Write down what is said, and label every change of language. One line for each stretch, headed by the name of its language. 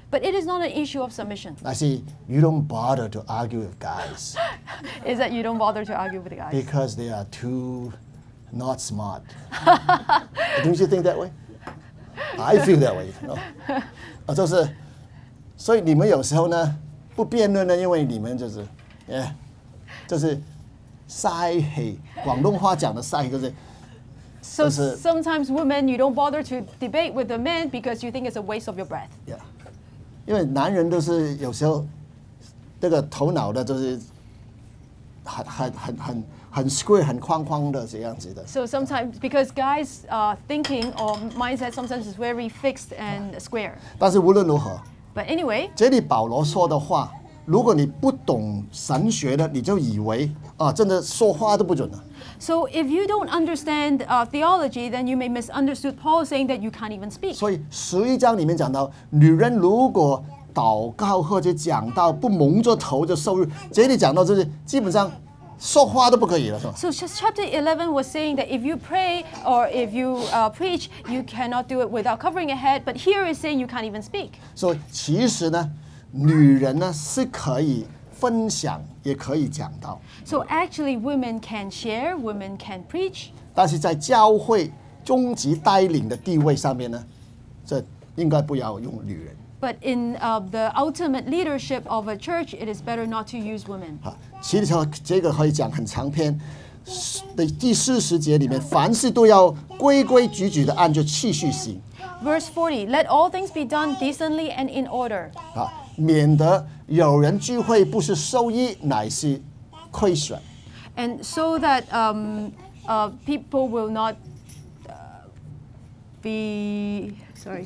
English: But it is not an issue of submission. I see, you don't bother to argue with guys. Is that you don't bother to argue with the guys? Because they are too not smart. Don't you think that way? I feel that way. No.
Chinese: 就是，所以你们有时候呢不辩论呢，因为你们就是，就是。晒黑，广东话讲的晒黑就是。
English: So sometimes women, you don't bother to debate with the men because you think it's a waste of your breath.
Chinese: Yeah, 因为男人都是有时候这个头脑的就是很 square 很框框的这样子的。
English: So sometimes because guys are thinking or mindset sometimes is very fixed and square.
Chinese: 但是无论如何
English: ，But anyway，
Chinese: 这里保罗说的话。如果你不懂神学的，你就以为啊，真的说话都不准了。
English: So if you don't understand theology, then you may misunderstand Paul saying that you can't even speak.
Chinese: 所以十一章里面讲到，女人如果祷告或者讲道不蒙着头就受辱，这里讲到就是基本上说话都不可以了，是吧
English: ？So chapter 11 was saying that if you pray or if you preach, you cannot do it without covering your head. But here is saying you can't even speak.
Chinese: So 其实呢。女人呢是可以分享，也可以讲道。
English: So actually, women can share, women can preach.
Chinese: 但是在教会终极带领的地位上面呢，这应该不要用女人。
English: But in the ultimate leadership of a church, it is better not to use women.
Chinese: 其实这个可以讲很长篇。第四十节里面，凡事都要规规矩矩的按着次序行。
English: Verse 40, let all things be done decently and in order.
Chinese: 免得有人聚会不是受益，乃是亏损。
English: And so that people will not be sorry.